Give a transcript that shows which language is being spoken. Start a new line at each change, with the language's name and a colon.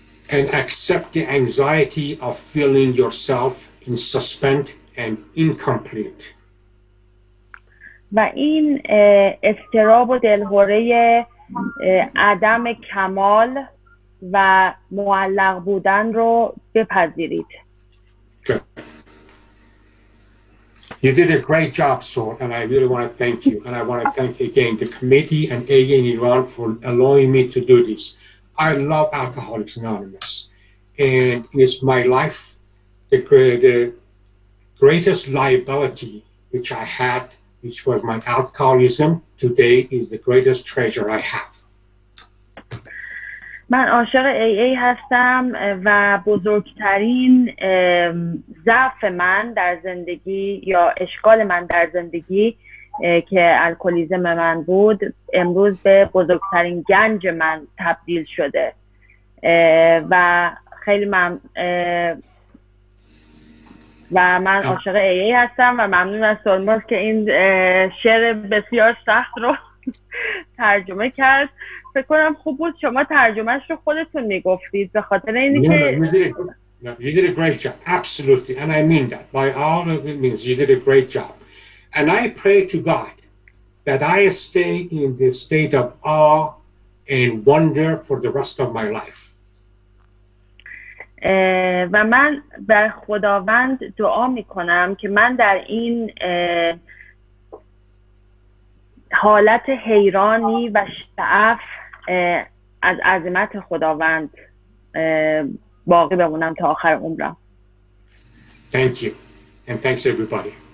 English: And accept the anxiety of feeling yourself in suspense and incomplete.
Persian: و این استراب و دلهوره عدم کمال و معلق بودن رو بپذیرید.
English: You did a great job, Saul, and I really want to thank you. And I want to thank again the committee and AA Iran for allowing me to do this. I love Alcoholics Anonymous. And it's my life, the greatest liability which I had, which was my alcoholism, today is the greatest treasure I have.
Persian: من عاشق AA هستم و بزرگترین ضعف من در زندگی یا اشکال من در زندگی که الکلیزم من بود امروز به بزرگترین گنج من تبدیل شده و خیلی من و من عاشق AA هستم و ممنون از سلماز که این شعر بسیار سخت رو ترجمه کرد. فکر کنم خوب بود شما ترجمهش رو خودتون میگفتید به خاطر اینی که
English: You did a great job, absolutely, and I mean that by all of it means you did a great job, and I pray to God that I stay in the state of awe and wonder for the rest of my life.
Persian: و من به خداوند دعا میکنم که من در این حالت حیرانی و شعف از عظمت خداوند باقی بمونم تا آخر عمرم.
English: Thank you and thanks everybody.